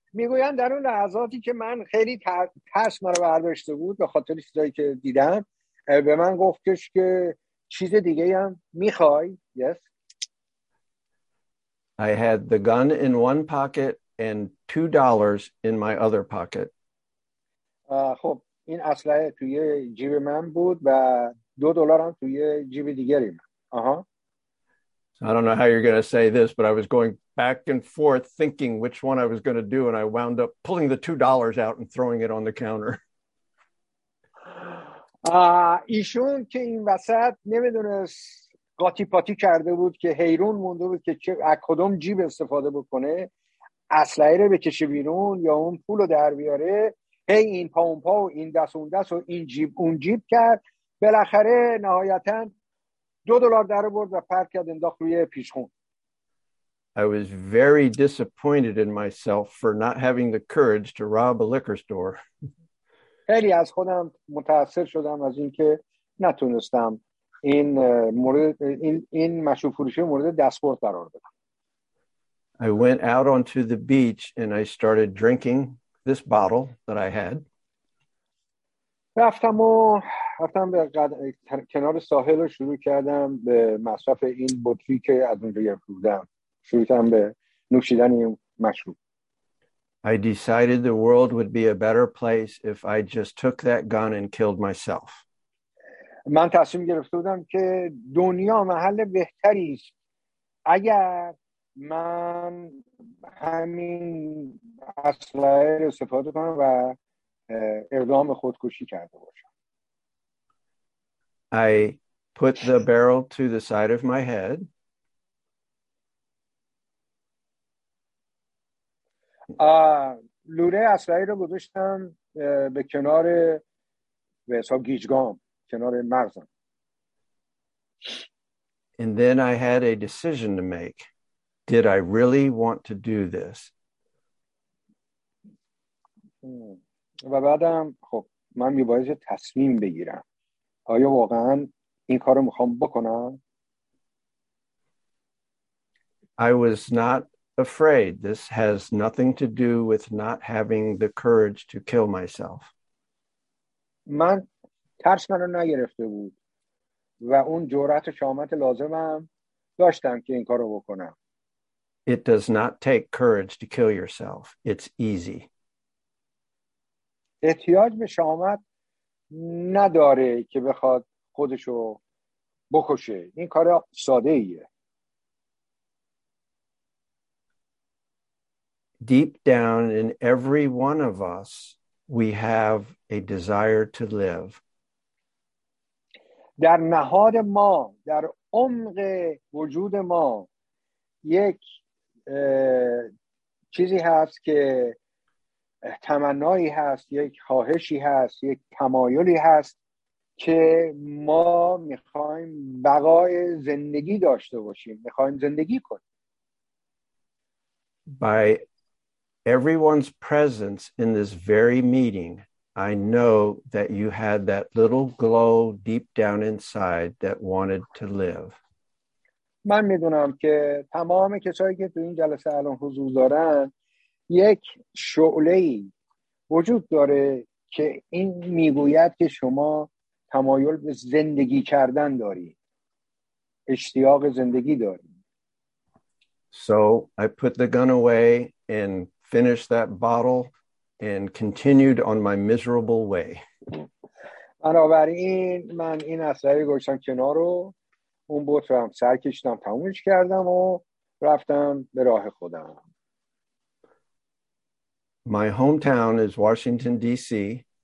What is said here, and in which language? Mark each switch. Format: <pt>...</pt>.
<fa>میگویان در اون لحظاتی که من خیلی ترس مرا برداشته بود به خاطر چیزایی که دیدم به من گفتش که چیز دیگه هم میخوای؟ Yes.</fa> <en>I had the gun in one pocket and $2 in my other pocket.</en> <fa>خب این اسلحه توی جیب من بود و $2 هم توی جیب دیگری من.</fa> <en>So I don't know how you're going to say this, but I was going back and forth thinking which one I was going to do, and I wound up pulling the $2 out and throwing it on the counter.</en> <fa>ایشون که این وسط نمیدونست قاطی پاتی کرده بود که حیرون مونده بود که از کدوم جیب استفاده بکنه اسلحه رو بکشه بیرون یا اون پول رو در بیاره هی این پا اون پا و این دست اون دست و این جیب اون جیب کرد بالاخره نهایتاً $2 در آورد و پرت کرد انداخت روی پیشخون.</fa> <en>I was very disappointed in myself for not having the courage to rob a liquor store.</en> <fa>خیلی از خودم متاثر شدم از اینکه نتونستم این مورد این مشروب فروشی مورد دستخورد قرار بدم.</fa> <en>I went out onto the beach and I started drinking this bottle that I had.</en> <fa>رفتم و رفتم به کنار ساحل رو شروع کردم به مصرف این بطری که از اون رو گرفته بودم. شروع کردم به نوشیدن این مشروب.</fa> <en>I decided the world would be a better place if I just took that gun and killed myself.</en> <fa>من تصمیم گرفته بودم که دنیا محل بهتری است اگر من همین اسلحه رو استفاده کنم و اقدام خودکشی کرده باشم.</fa> <en>I put the barrel to the side of my head.</en> <fa>لوله اسلحه رو گذاشتم به کنار به حساب گیجگام کنار مغزم.</fa> <en>And then I had a decision to make. Did I really want to do this?</en> <fa>و بعدم خب من میبایست تصمیم بگیرم. آیا واقعا این کارو میخوام بکنم؟</fa> <en>I was not afraid. This has nothing to do with not having the courage to kill myself.</en> <fa>من ترس منو نگرفته بود و اون جرأت و شجاعت لازمم داشتم که این کارو بکنم.</fa> <en>It does not take courage to kill yourself. It's easy.</en> <fa>احتیاج به شجاعت نداره که بخواد خودشو بکشه. این کار ساده ایه.</fa> <en>Deep down in every one of us, we have a desire to live.</en> <fa>در نهاد ما، در عمق وجود ما، یک چیزی هست که تمنایی هست، یک خواهشی هست، یک تمایلی هست که ما میخوایم بقای زندگی داشته باشیم، میخوایم زندگی کنیم.</fa> <en>By everyone's presence in this very meeting, I know that you had that little glow deep down inside that wanted to live.</en> <fa>من میدونم که تمام کسایی که تو این جلسه الان حضور دارن یک شعله‌ای وجود داره که این میگوید که شما تمایل به زندگی کردن دارید، اشتیاق زندگی دارید.</fa> <en>So I put the gun away and finished that bottle and continued on my miserable way.</en> <fa>بنابراین من این اسلحه گذاشتم کنار رو اون بطرم سر کشتم تمومش کردم و رفتم به راه خودم.</fa> <en>My hometown is Washington DC.</en>